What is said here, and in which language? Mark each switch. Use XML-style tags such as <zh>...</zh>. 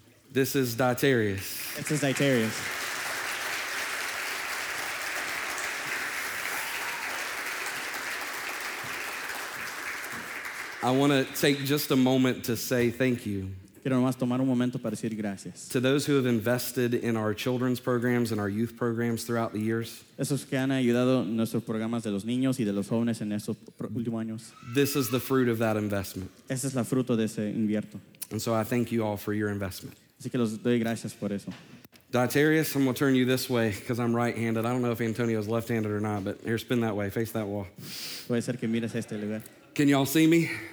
<en>This is Dietarius. This is Dietarius. I want to take just a moment to say thank you.</en> <es>Quiero nomás tomar un momento para decir gracias.</es> <en>To those who have invested in our children's programs and our youth programs throughout the years.</en> <es>Esos que han ayudado nuestros programas de los niños y de los jóvenes en estos últimos años.</es> <en>This is the fruit of that investment.</en> <es>Esa es la fruto de ese invierto.</es> <en>And so I thank you all for your investment.</en> <es>Así que los doy gracias por eso.</es> <en>Dietarius, I'm going to turn you this way because I'm right-handed. I don't know if Antonio is left-handed or not, but here, spin that way. Face that wall.</en> <es>Puede ser que mires este lugar.</es> <en>Can y'all see me?</en>